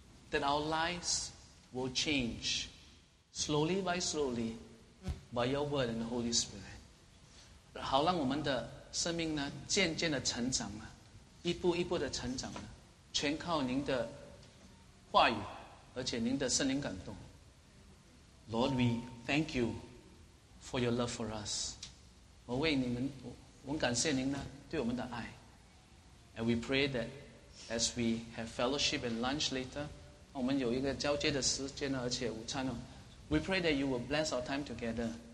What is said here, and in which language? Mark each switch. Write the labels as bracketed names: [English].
[English] That our lives will change slowly by slowly by your word and the Holy Spirit. [Chinese] 好让我们的生命呢渐渐的成长了，一步一步的成长了，全靠您的话语，而且您的圣灵感动。 [English] Lord, we thank you for your love for us. [Chinese] 我为你们，我感谢您呢对我们的爱。 [English] And we pray that as we have fellowship and lunch later, [Chinese] 我们有一个交接的时间呢，而且午餐呢， [English] we pray that you will bless our time together.